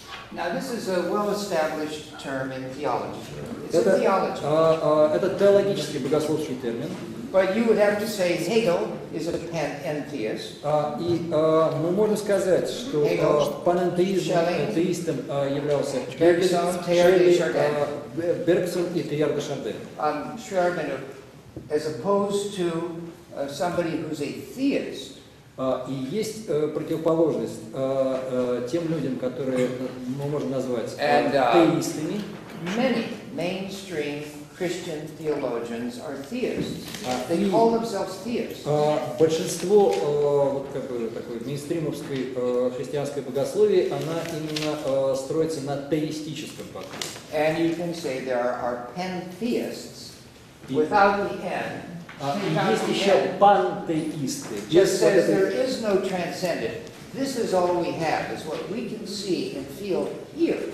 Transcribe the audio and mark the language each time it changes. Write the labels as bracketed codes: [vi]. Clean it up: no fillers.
[en] Now this is a well-established term in theology. It's a theology. [ru] Это теологический богословский термин. [en] But you would have to say Hegel is a panentheist. [ru] Мы можем сказать, что панентеизм атеистом являлся Бергсон, Шелли, Бергсон и Тейяр де Шарден. [en] Шарден, as opposed to somebody who's a theist. [ru] И есть противоположность тем людям, которые мы можем назвать атеистами. [en] Many mainstream Christian theologians are theists. They call themselves theists. [ru] Большинство вот как бы такой мейнстримовской христианской богословии, она именно строится на теистическом подходе. [en] And you can say there are pantheists without the N. [ru] Есть еще пантеисты. [en] Just says there is no transcendent. This is all we have, is what we can see and feel here.